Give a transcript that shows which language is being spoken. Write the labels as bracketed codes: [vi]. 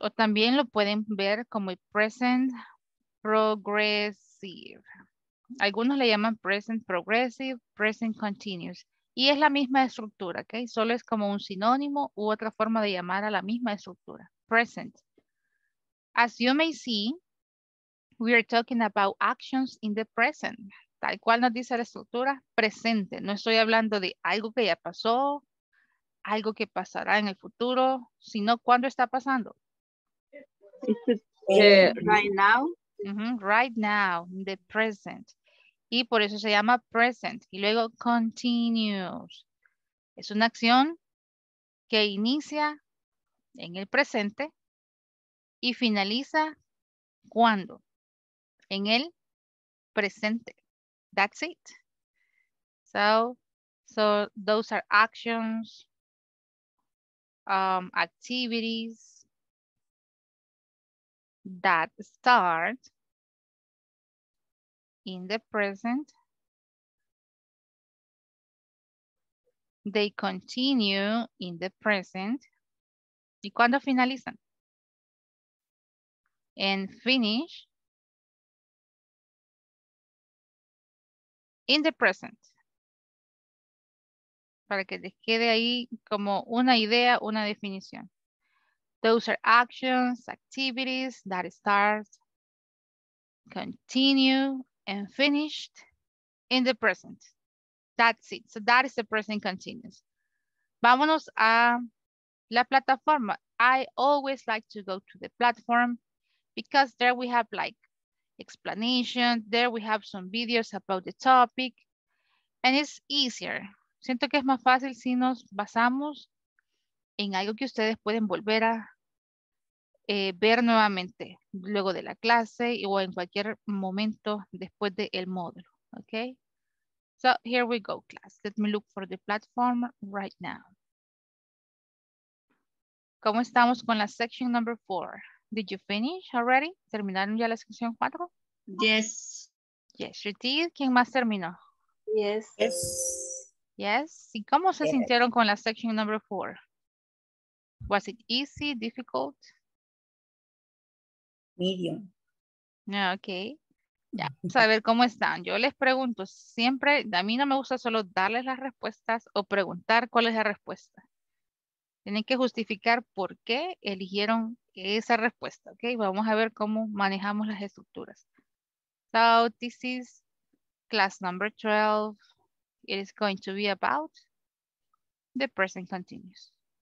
[es] O también lo pueden ver como el present progressive. Algunos le llaman present progressive, present continuous. Y es la misma estructura, ¿ok? Solo es como un sinónimo u otra forma de llamar a la misma estructura. [en] Present. As you may see, we are talking about actions in the present. [es] Tal cual nos dice la estructura, presente. No estoy hablando de algo que ya pasó, algo que pasará en el futuro, sino ¿cuándo está pasando? [en] Right now. Right now, in the present. [es] Y por eso se llama present. Y luego continues. Es una acción que inicia en el presente y finaliza ¿cuándo? En el presente. [en] That's it. So those are actions, activities that start in the present, they continue in the present. [es] ¿Y cuándo finalizan? [en] And finish in the present. [es] Para que les quede ahí como una idea, una definición. [en] Those are actions, activities that start, continue, and finished in the present. That's it. So that is the present continuous. [es] Vámonos a la plataforma. [en] I always like to go to the platform because there we have like explanation. There we have some videos about the topic. And it's easier. [es] Siento que es más fácil si nos basamos en algo que ustedes pueden volver a ver nuevamente luego de la clase o en cualquier momento después del módulo, ¿ok? [en] So, here we go, class. Let me look for the platform right now. [es] ¿Cómo estamos con la [en] section number 4? Did you finish already? [es] ¿Terminaron ya la sección 4? [en] Yes. Yes, you did. [es] ¿Quién más terminó? [en] Yes. Yes. Yes. [es] ¿Y cómo se sintieron con la [en] section number 4? Was it easy, difficult? Medium. [es] Ok. Ya, vamos a ver cómo están. Yo les pregunto siempre, a mí no me gusta solo darles las respuestas o preguntar cuál es la respuesta. Tienen que justificar por qué eligieron esa respuesta. Ok, vamos a ver cómo manejamos las estructuras. [en] So, this is class number 12. It is going to be about the present continuous.